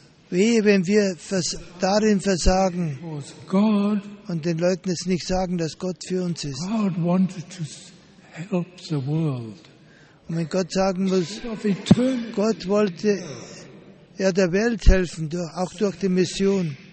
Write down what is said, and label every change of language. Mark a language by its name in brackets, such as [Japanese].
[German] Wehe, wenn wir darin versagen und den Leuten es nicht sagen, dass Gott für uns ist. [English] God wanted to help the world. [German] Und wenn Gott sagen muss, [English] eternity, [German] Gott wollte ja der Welt helfen, auch durch die Mission,